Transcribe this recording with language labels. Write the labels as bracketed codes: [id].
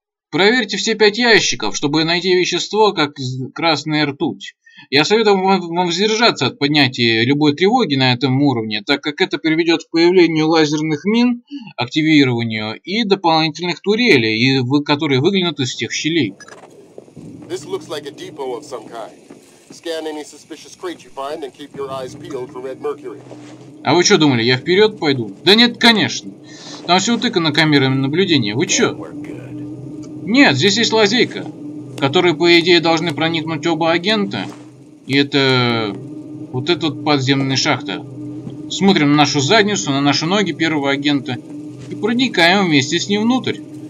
[ru] Проверьте все 5 ящиков, чтобы найти вещество, как красная ртуть. Я советую вам воздержаться от поднятия любой тревоги на этом уровне, так как это приведет к появлению лазерных мин, активированию и дополнительных турелей, которые выглянут из тех щелей. [en] This looks like a depot of some kind. Scan any suspicious crate you find and keep your eyes peeled for red mercury. [ru] А вы что думали, я вперед пойду? Да нет, конечно. Там все утыкано камерами наблюдения. Вы что? Нет, здесь есть лазейка, в которую, по идее, должны проникнуть оба агента. И это... вот эта вот подземная шахта. Смотрим на нашу задницу, на наши ноги первого агента и проникаем вместе с ним внутрь.